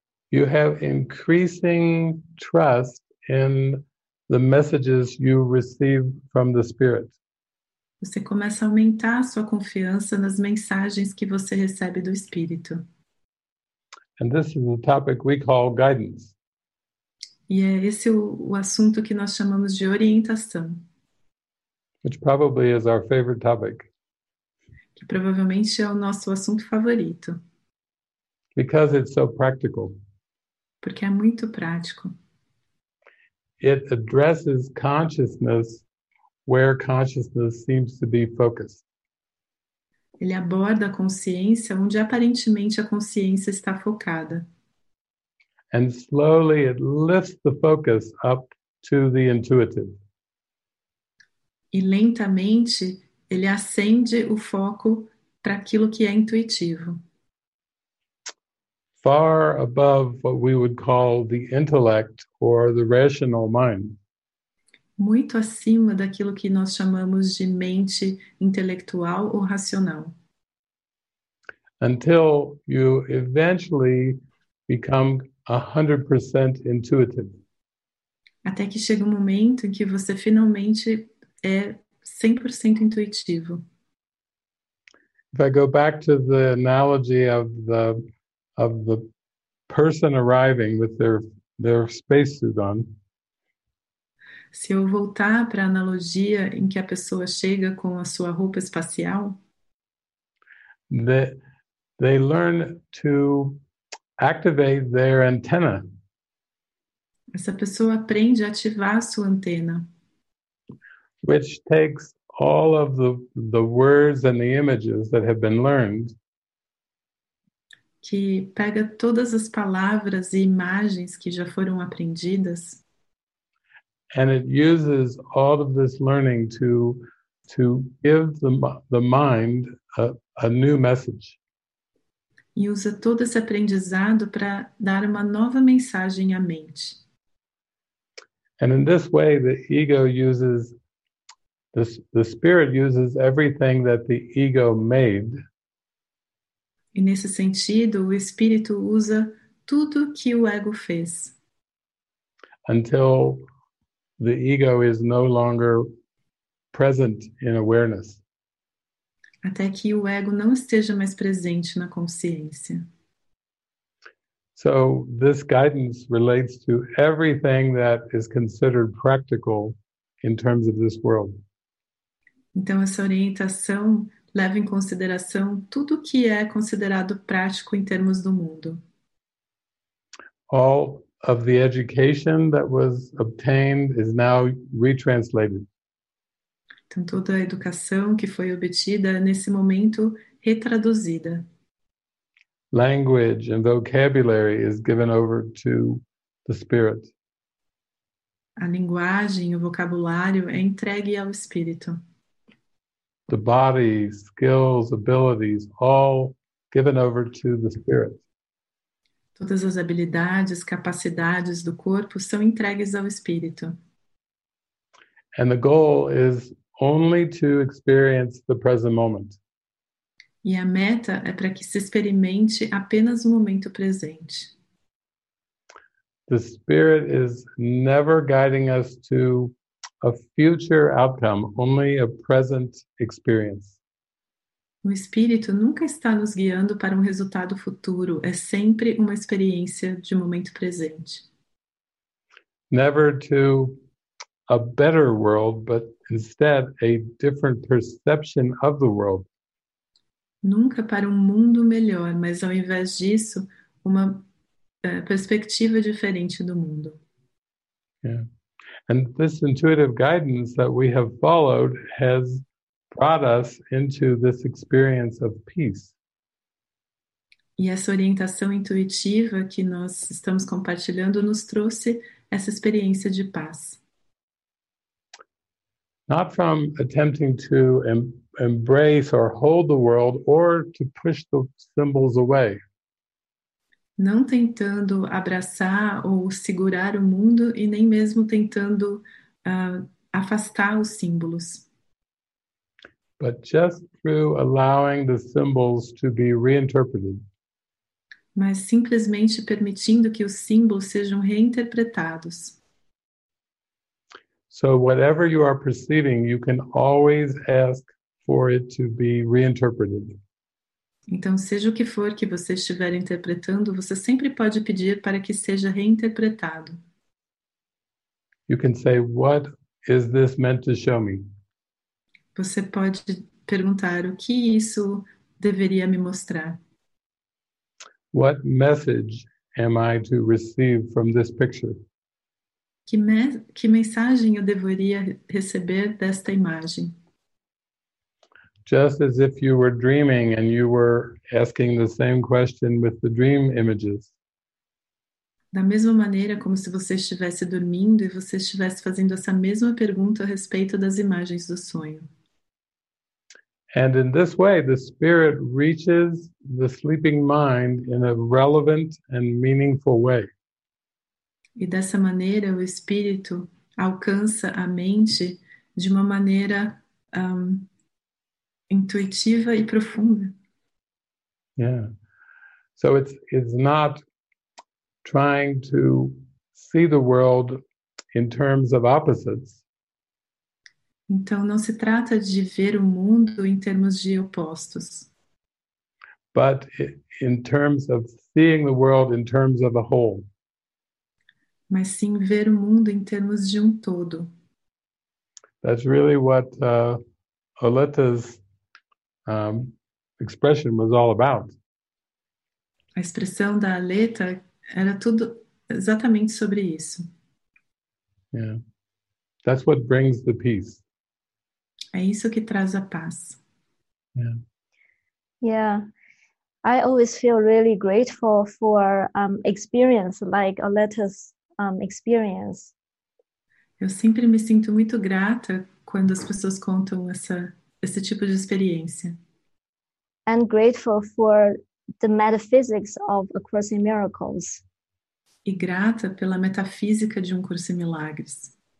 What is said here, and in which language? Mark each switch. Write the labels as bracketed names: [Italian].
[English] you have increasing trust in the messages you receive from the Spirit. [Portuguese] Você começa a aumentar a sua confiança nas mensagens que você recebe do Espírito. [English] And this is the topic we call guidance. [Portuguese] E é esse o assunto que nós chamamos de orientação. [English] Which probably is our favorite topic. [Portuguese] Que provavelmente é o nosso assunto favorito. [English] Because it's so practical. [Portuguese] Porque é muito prático. [English] It addresses consciousness where consciousness seems to be focused. [Portuguese] Ele aborda a consciência onde aparentemente a consciência está focada. [English] And slowly it lifts the focus up to the intuitive. [Portuguese] E lentamente ele acende o foco para aquilo que é intuitivo. [English] Far above what we would call the intellect or the rational mind. [Portuguese] Muito acima daquilo que nós chamamos de mente intelectual ou racional. [English] Until you eventually become 100% intuitive. [Portuguese] Até que chega um momento em que você finalmente é 100% intuitivo. [English] If I go back to the analogy of the person arriving with their spacesuit on. [Portuguese] Se eu voltar para a analogia em que a pessoa chega com a sua roupa espacial, [English] they learn to activate their antenna. [Portuguese] Essa pessoa aprende a ativar a sua antena. [English] Which takes all of the words and the images that have been learned. [Portuguese] Que pega todas as palavras e imagens que já foram aprendidas. [English] And it uses all of this learning to give the mind a new message. [Portuguese] E usa todo esse aprendizado para dar uma nova mensagem à mente. [English] And in this way, the ego uses, the spirit uses everything that the ego made. [Portuguese] E nesse sentido, o espírito usa tudo que o ego fez. [English] Until the ego is no longer present in awareness. [Portuguese] Até que o ego não esteja mais presente na consciência. [English] So this guidance relates to everything that is considered practical in terms of this world. [Portuguese] Então essa orientação leva em consideração tudo que é considerado prático em termos do mundo. [English] All of the education that was obtained is now retranslated. [Portuguese] Então, toda a educação que foi obtida nesse momento retraduzida. [English] Language and vocabulary is given over to the spirit. [Portuguese] A linguagem, o vocabulário é entregue ao espírito. [English] The body, skills, abilities, all given over to the spirit. [Portuguese] Todas as habilidades, capacidades do corpo são entregues ao espírito. [English] And the goal is only to experience the present moment. [Portuguese] E a meta é para que se experimente apenas o momento presente. [English] The spirit is never guiding us to a future outcome, only a present experience. [Portuguese] O espírito nunca está nos guiando para um resultado futuro, é sempre uma experiência de momento presente. [English] Never to a better world, but instead a different perception of the world. [Portuguese] Nunca para um mundo melhor, mas ao invés disso, uma perspectiva diferente do mundo. [English] Yeah. And this intuitive guidance that we have followed has brought us into this experience of peace. [Portuguese] E essa orientação intuitiva que nós estamos compartilhando nos trouxe essa experiência de paz. [English] Not from attempting to embrace or hold the world or to push the symbols away. [Portuguese] Não tentando abraçar ou segurar o mundo e nem mesmo tentando afastar os símbolos. [English] but just through allowing the symbols to be reinterpreted. [Portuguese] Mas simplesmente permitindo que os símbolos sejam reinterpretados. [English] So whatever you are perceiving, you can always ask for it to be reinterpreted. [Portuguese] Então, seja o que for que você estiver interpretando, você sempre pode pedir para que seja reinterpretado. [English] You can say, what is this meant to show me? [Portuguese] Você pode perguntar o que isso deveria me mostrar. [English] What message am I to receive from this picture? [Portuguese] Que mensagem eu deveria receber desta imagem? [English] Just as if you were dreaming and you were asking the same question with the dream images. [Portuguese] Da mesma maneira como se você estivesse dormindo e você estivesse fazendo essa mesma pergunta a respeito das imagens do sonho. [English] And in this way, the spirit reaches the sleeping mind in a relevant and meaningful way. [Portuguese] E dessa maneira, o espírito alcança a mente de uma maneira intuitiva e profunda. [English] Yeah. So it's not trying to see the world in terms of opposites. [Portuguese] Então, não se trata de ver o mundo em termos de opostos. [English] But in terms of seeing the world in terms of a whole. [Portuguese] Mas sim ver o mundo em termos de um todo. [English] That's really what Oleta's expression was all about. [Portuguese] A expressão da Aleta era tudo exatamente sobre isso. [English] Yeah. That's what brings the peace. [Portuguese] É isso que traz a paz. [English] Yeah. Yeah. I always feel really grateful for experience like Aleta's experience. [Portuguese] Eu sempre me sinto muito grata quando as pessoas contam esse tipo de experiência. [English] And grateful for the metaphysics of A Course in Miracles. [Portuguese] E grata pela metafísica de Um Curso em Milagres.